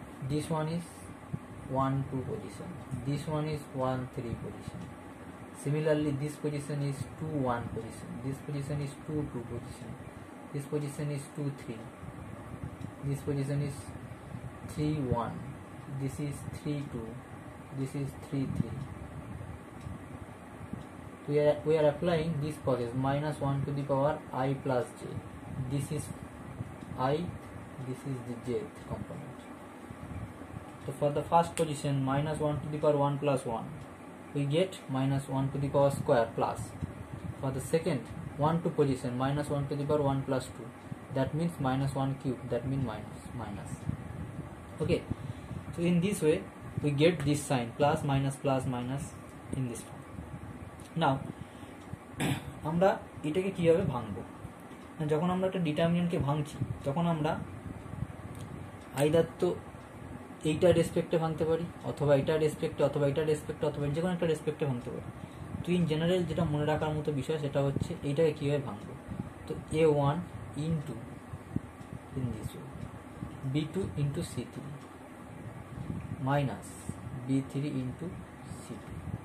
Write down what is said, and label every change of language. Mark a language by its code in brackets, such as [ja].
[en] This one is one two position this one is one three position similarly this position is two one position this position is two two position this position is two three this position is three one this is three two this is three three We are applying this process minus 1 to the power I plus j. This is I, this is the jth component. So for the first position minus 1 to the power 1 plus 1, we get minus 1 to the power square plus. For the second 1 to position minus 1 to the power 1 plus 2, that means minus 1 cube, that means minus, minus. Okay, so in this way we get this sign plus minus in this form. [bn] নাও আমরা এটাকে কীভাবে ভাঙব যখন আমরা একটা ডিটারমিনেন্টকে ভাঙছি তখন আমরা either তো এইটার রেসপেক্টে ভাঙতে পারি অথবা এটার রেসপেক্টে অথবা এটার রেসপেক্টে অথবা যে কোনো একটা রেসপেক্টে ভাঙতে পারি তো ইন জেনারেল যেটা মনে রাখার মতো বিষয় সেটা হচ্ছে এইটাকে কীভাবে ভাঙব তো এ one in two in this B two in two C three minus B three in two C three